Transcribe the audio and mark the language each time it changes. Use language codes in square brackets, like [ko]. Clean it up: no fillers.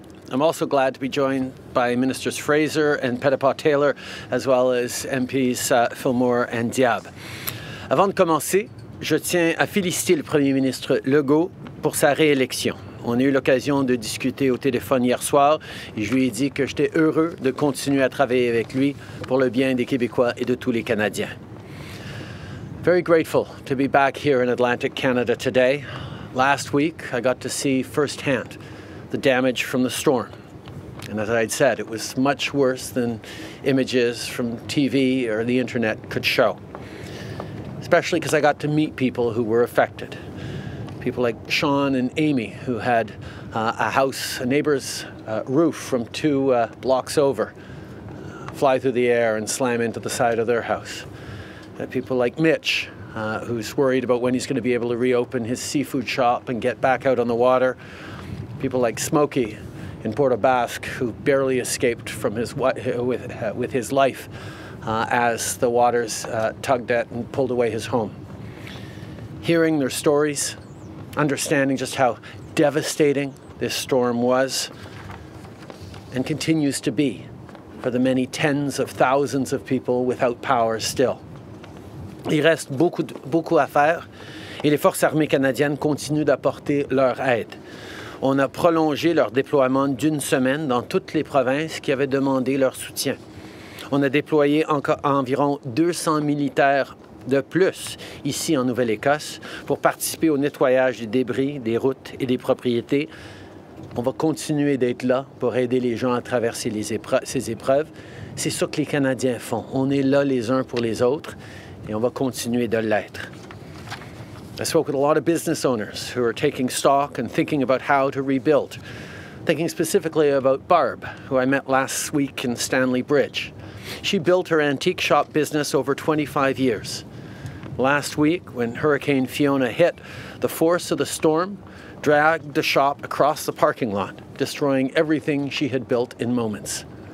[en] I'm also glad to be joined by Ministers Fraser and Pettipaw-Taylor, as well as MPs Fillmore and Diab. [fr] Avant de commencer, je tiens à féliciter le Premier ministre Legault pour sa réélection. On a eu l'occasion de discuter au téléphone hier soir et je lui ai dit que j'étais heureux de continuer à travailler avec lui pour le bien des Québécois et de tous les Canadiens. [en] Very grateful to be back here in Atlantic Canada today. Last week, I got to see firsthand the damage from the storm. And as I'd said, it was much worse than images from TV or the internet could show. Especially because I got to meet people who were affected. People like Sean and Amy, who had a neighbor's roof from two blocks over, fly through the air and slam into the side of their house. People like Mitch, who's worried about when he's going to be able to reopen his seafood shop and get back out on the water. People like Smokey in Puerto Basque, who barely escaped from his with his life as the waters tugged at and pulled away his home. Hearing their stories, understanding just how devastating this storm was and continues to be for the many tens of thousands of people without power still. [fr] Il reste beaucoup à faire et les forces armées canadiennes continuent d'apporter leur aide. On a prolongé leur déploiement d'une semaine dans toutes les provinces qui avaient demandé leur soutien. On a déployé environ 200 militaires de plus ici en Nouvelle-Écosse pour participer au nettoyage des débris, des routes et des propriétés. On va continuer d'être là pour aider les gens à traverser ces épreuves. C'est ça que les Canadiens font. On est là les uns pour les autres. Et on va continuer de l'être. [en] I spoke with a lot of business owners who are taking stock and thinking about how to rebuild, thinking specifically about Barb, who I met last week in Stanley Bridge. She built her antique shop business over 25 years. Last week, when Hurricane Fiona hit, the force of the storm dragged the shop across the parking lot, destroying everything she had built in moments.